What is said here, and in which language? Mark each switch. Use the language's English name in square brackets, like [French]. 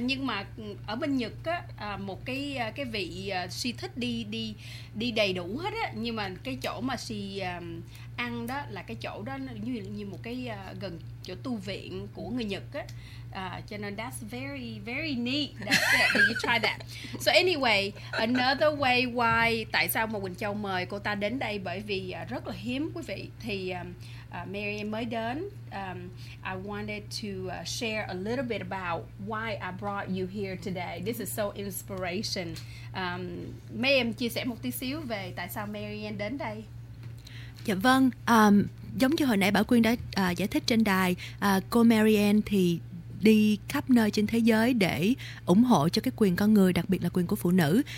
[Vietnamese] Nhưng mà ở bên Nhật á, một cái vị she thích đi đầy đủ hết á, nhưng mà cái chỗ mà she ăn đó là cái chỗ đó như một cái gần chỗ tu viện của người Nhật á, cho nên [English] that's very very neat that you try that. So anyway, another way why [Vietnamese] tại sao mà Quỳnh Châu mời cô ta đến đây, bởi vì rất là hiếm quý vị, thì Mary mới đến. [English] I wanted to share a little bit about why I brought you here today. This is so inspiration. [Vietnamese] May em chia sẻ một tí xíu về tại sao Mary đến đây. Dạ vâng, giống như hồi nãy Bảo Quyên đã giải thích trên đài, cô Marianne thì đi khắp nơi trên thế giới để ủng hộ cho cái quyền con người, đặc biệt là quyền của phụ nữ.